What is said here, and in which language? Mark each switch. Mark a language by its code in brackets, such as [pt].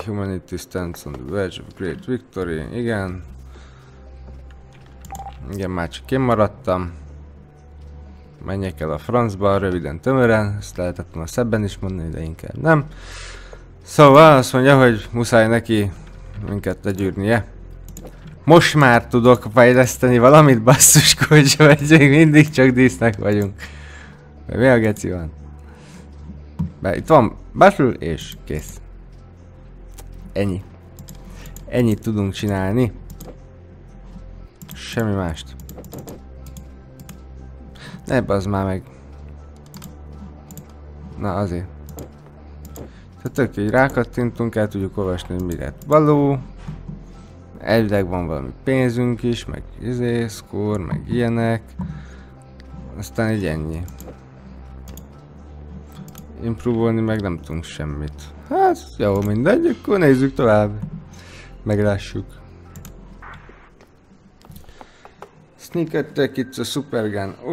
[en] Humanity stands on the verge of great victory. [hu] Igen. Igen, már csak én maradtam. Menjek el a francba, röviden tömören. Ezt lehetett volna szebben is mondani, de inkább nem. Szóval azt mondja, hogy muszáj neki minket legyűrnie. most már tudok fejleszteni valamit, basszus kocsa, vagy még mindig csak dísznek vagyunk. Mi a geci van? Be, itt van, basszul és kész. Ennyi. Ennyit tudunk csinálni. Semmi mást. Ne bazd már meg. Na azért. Tehát tök így rákattintunk, el tudjuk olvasni, hogy mi lett való. Elvileg van valami pénzünk is, meg izé, szkór, meg ilyenek. Aztán így ennyi. Improvolni meg nem tudunk semmit. Hát, jó, mindegy, akkor nézzük tovább. Meglássuk. [en] Sneak attack, it's a super gun.